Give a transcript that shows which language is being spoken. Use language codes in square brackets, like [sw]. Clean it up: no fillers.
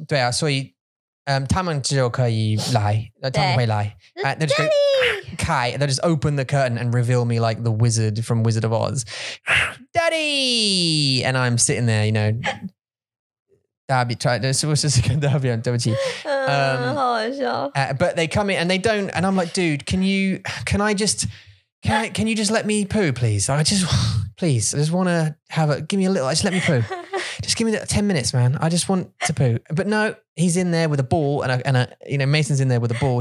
[zh] 对啊，所以，他们只有可以来，他们会来。 [en] Daddy, just open the curtain and reveal me like the wizard from Wizard of Oz. Daddy, and I'm sitting there, you know. [zh] 大便，对，是不是是跟大便？对不起，好好笑。 [en] But they come in and they don't, and I'm like, dude, can I just Can you just let me poo, please? I just want to have a, give me a little, just let me poo. Just give me that 10 minutes, man. I just want to poo. But no, he's in there with a ball and a, you know, Mason's in there with a ball.